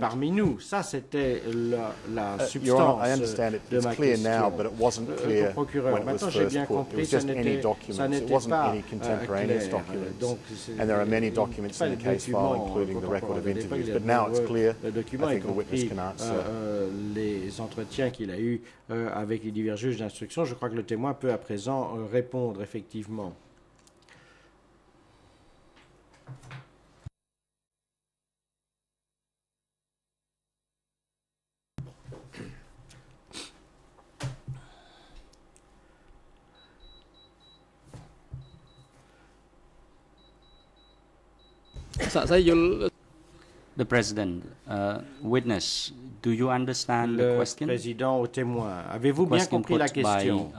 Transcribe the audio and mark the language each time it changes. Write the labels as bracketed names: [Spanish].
[French] Parmi nous. Ça, c'était la substance. [English] Your Honor, I understand it. It's clear question. Now, but it wasn't clear when it was first put. It was just any documents. It wasn't any contemporaneous documents. [French] Donc, [English] and there are many documents in the case file, including the record of interviews. But now it's clear. I think the witness can answer. [French] Les entretiens qu'il a eu avec les divers juges d'instruction, je crois que le témoin peut à présent répondre, effectivement. [English] The President, witness, do you understand the question? [French] Le président au témoin, avez-vous bien compris la question